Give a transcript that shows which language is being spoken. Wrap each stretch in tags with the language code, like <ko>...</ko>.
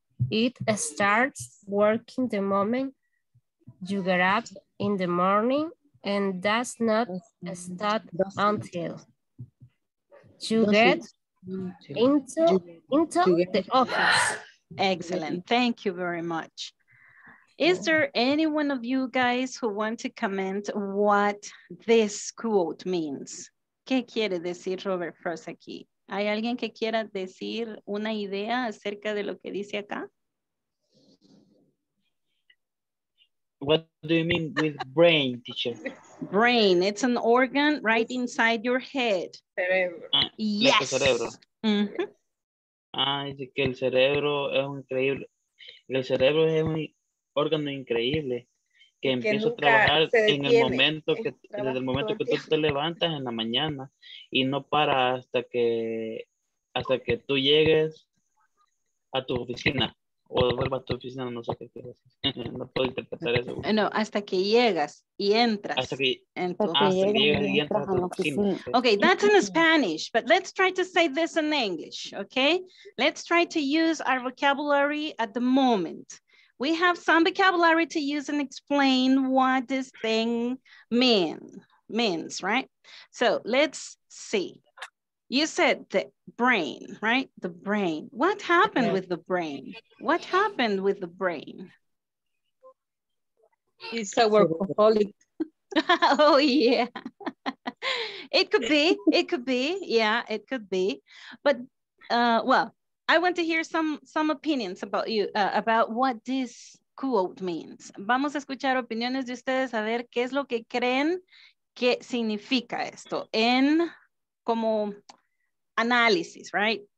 <en>It starts working the moment you get up in the morning and does not start until you get into the office. Excellent. Thank you very much. Is there any one of you guys who want to comment what this quote means?</en> <es>¿Qué quiere decir Robert Frost aquí? ¿Hay alguien que quiera decir una idea acerca de lo que dice acá?</es> <en>What do you mean with brain, teacher? Brain, it's an organ right inside your head.</en> <es>Cerebro.</es> <en>Yes. Cerebro. Mm-hmm.</en> <es>Ah, dice que el cerebro es un increíble. El cerebro es un órgano increíble que empieza a trabajar en el momento que, desde el momento que tú te levantas en la mañana y no para hasta que tú llegues a tu oficina o vuelvas a tu oficina, no sé qué quieres. No puedo interpretar eso. No, hasta que llegas y entras. Hasta que llegas y entras a tu oficina.</es> <en>Ok, that's in Spanish, but let's try to say this in English, ok? Let's try to use our vocabulary at the moment. We have some vocabulary to use and explain what this thing means, right? So let's see. You said the brain, right? The brain. What happened with the brain? What happened with the brain? It's a workaholic. Oh, yeah. It could be. Yeah, it could be. But, well, I want to hear some opinions about you, about what this quote means.</en> <es>Vamos a escuchar opiniones de ustedes a ver qué es lo que creen que significa esto en como análisis, right?</es>